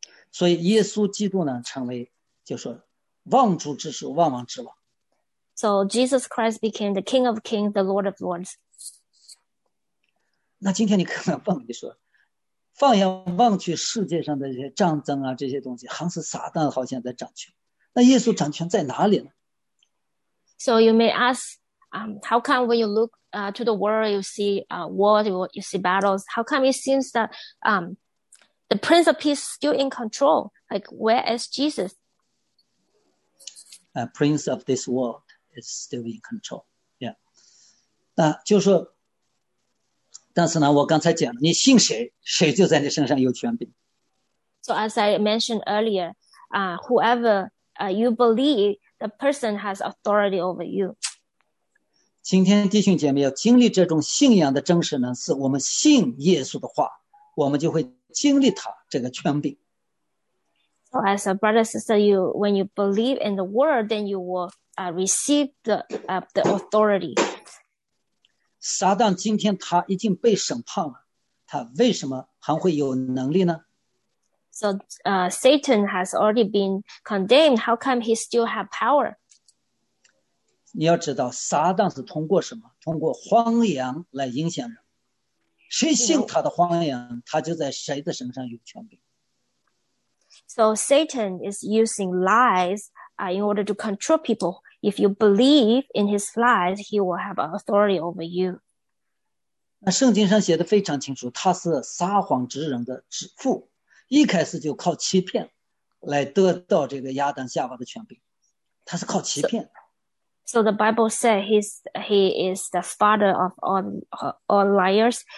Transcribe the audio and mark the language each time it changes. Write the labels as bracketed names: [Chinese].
[Chinese] 所以耶稣基督呢，成为就是万主之主，万王之王。 [English] So Jesus Christ became the King of Kings, the Lord of Lords. [Chinese] 那今天你可能问你说，放眼望去，世界上的这些战争啊，这些东西，还是撒旦好像在掌权。那耶稣掌权在哪里呢？ [English] So you may ask, how come when you look to the world, you see war, you see battles. How come it seems that the Prince of Peace is still in control? Like, where is Jesus? prince of this world is still in control. Yeah. [Chinese] 那就是说，但是呢，我刚才讲了，你信谁，谁就在你身上有权柄。 [English] So as I mentioned earlier, whoever you believe, the person has authority over you. [Chinese] 今天弟兄姐妹要经历这种信仰的真实呢，是我们信耶稣的话，我们就会经历他这个权柄。 [English] So as a brother, sister, you, when you believe in the word, then you will receive the authority. [Chinese] 撒旦今天他已经被审判了，他为什么还会有能力呢？ [English] So Satan has already been condemned. How come he still have power? [Chinese] 你要知道，撒旦是通过什么？通过谎言来影响人。谁信他的谎言，他就在谁的身上有权柄。 [English] So Satan is using lies in order to control people. If you believe in his lies, he will have authority over you. [Chinese] 那圣经上写的非常清楚，他是撒谎之人的之父。一开始就靠欺骗来得到这个亚当夏娃的权柄，他是靠欺骗。 [English] So the Bible said he is the father of all liars.